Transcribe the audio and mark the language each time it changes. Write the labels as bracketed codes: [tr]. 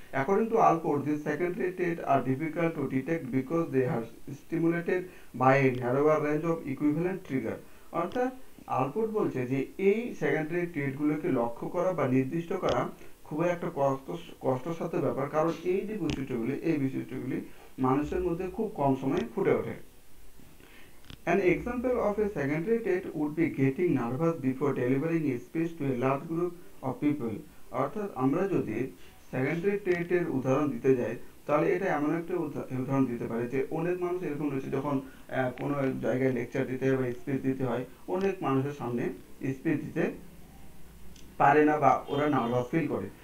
[en] according to Allport this secondary trait are difficult to detect because they are stimulated by a narrower range of equivalent trigger, [bn] অর্থাৎ আলপোর্ট বলছে যে এই secondary ট্রেটগুলোকে লক্ষ্য করা বা নির্দিষ্ট করা খুবই একটা কষ্টসাধ্য ব্যাপার, কারণ এই যে বৈশিষ্ট্যগুলি মানুষের মধ্যে খুব কম সময়ে ফুটে ওঠে। [en] An example of a secondary trait would be getting nervous before delivering a speech to a large group of people. [bn] অর্থাৎ আমরা যদি সেকেন্ডারি ট্রেটের উদাহরণ দিতে যাই, তাহলে এটা এমন একটা উদাহরণ দিতে পারে যে অনেক মানুষ এরকম রয়েছে, যখন কোনো জায়গায় লেকচার দিতে হয় বা স্পিচ দিতে হয়, অনেক মানুষের সামনে স্পিচ দিতে পারে না বা ওরা নার্ভাস ফিল করে।